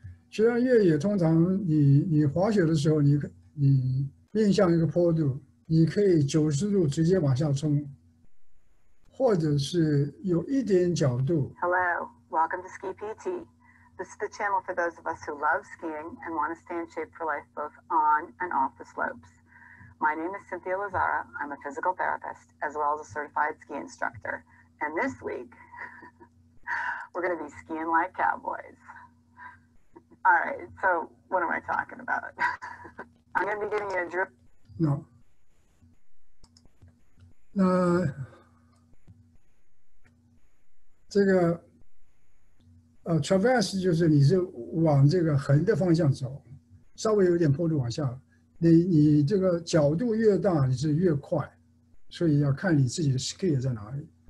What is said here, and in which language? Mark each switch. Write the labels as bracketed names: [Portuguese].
[Chinese] 雪上越野通常你滑雪的时候你面向一个坡度。你可以90度直接往下冲，或者是有一点角度。 [English] Hello, welcome to Ski PT. This is the channel for those of us who love skiing and want to stay in shape for life both on and off the slopes. My name is Cynthia Lazara. I'm a physical therapist as well as a certified ski instructor. And this week, we're going to be skiing like cowboys. All right, so what am I talking about? I'm going to be giving you a drip. No. [Chinese] 那这个traverse 就是你是往这个横的方向走，稍微有点坡度往下，你这个角度越大你是越快，所以要看你自己的 scale 在哪里。